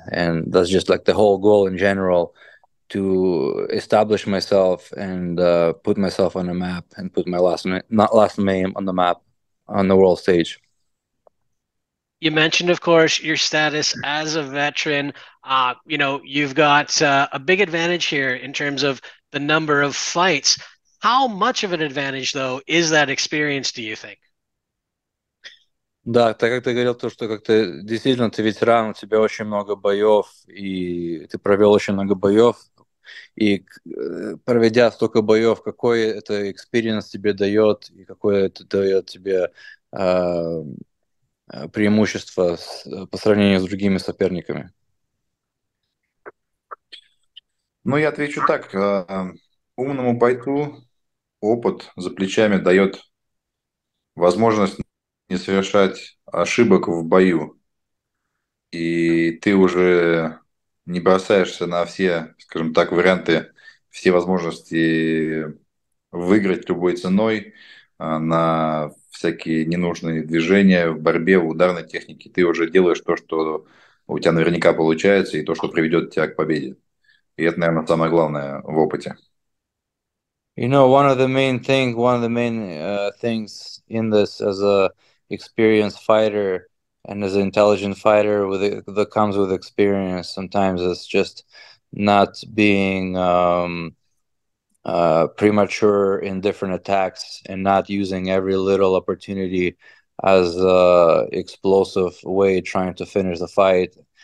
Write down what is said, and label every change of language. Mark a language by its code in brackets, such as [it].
[en] And that's just like the whole goal in general, to establish myself and put myself on a map and put my last name, not last name, on the map on the world stage. You mentioned, of course, your status as a veteran. You've got a big advantage here in terms of the number of fights. How much of an advantage, though, is that experience, do you think? [ru] Да, так как ты говорил, то, что как-то действительно ты ветеран, у тебя очень много боев, и ты провел очень много боев. И проведя столько боев, какой это experience тебе дает, и какое это дает тебе преимущество по сравнению с другими соперниками? Ну, я отвечу так. Умному бойцу опыт за плечами дает возможность не совершать ошибок в бою. И ты уже не бросаешься на все, скажем так, варианты, все возможности выиграть любой ценой, на всякие ненужные движения в борьбе, в ударной технике. Ты уже делаешь то, что у тебя наверняка получается, и то, что приведет тебя к победе. И это, наверное, самое главное в опыте. [en] One of the main things in this, as a experienced fighter and as an intelligent fighter that comes with experience, sometimes it's just not being premature in different attacks and not using every little opportunity as a explosive way trying to finish the fight.